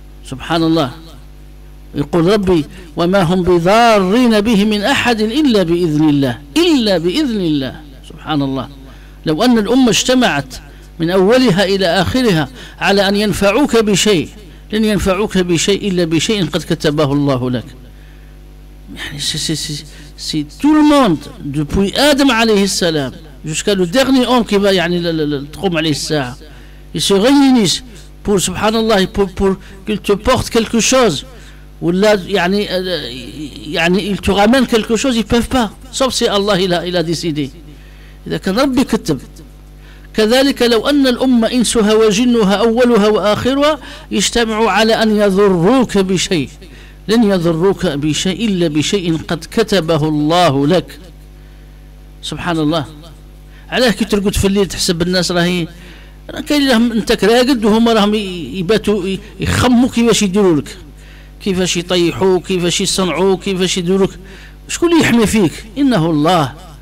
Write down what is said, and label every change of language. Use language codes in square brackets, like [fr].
[ar] سبحان الله، يقول ربي وما هم بضارين به من أحد إلا بإذن الله، إلا بإذن الله. سبحان الله، لو أن الأمة اجتمعت من أولها إلى آخرها على أن ينفعوك بشيء، لن ينفعوك بشيء إلا بشيء قد كتبه الله لك. يعني سي [fr] tout le monde depuis [ar] آدم عليه السلام [fr] jusqu'à le dernier homme qui va [ar] يعني تقوم عليه الساعة، [fr] il se réunit pour [ar] سبحان الله [fr] pour qu'il te porte quelque chose [ar] ولا يعني [fr] il te ramène quelque chose، ils peuvent pas sauf si Allah il a décidé. [ar] إذا كان ربي كتب كذلك، لو أن الأمة إنسها وجنها أولها وآخرها يجتمعوا على أن يضروك بشيء، لن يضروك بشيء إلا بشيء قد كتبه الله لك. سبحان الله، علاه كي ترقد في الليل تحسب الناس راهي كاين لهم أنت كراقد وهم راهم يباتوا يخموا كيفاش يديروا لك، كيفاش يطيحوك، كيفاش يصنعوك، كيفاش يديروك، شكون اللي يحمي فيك؟ إنه الله.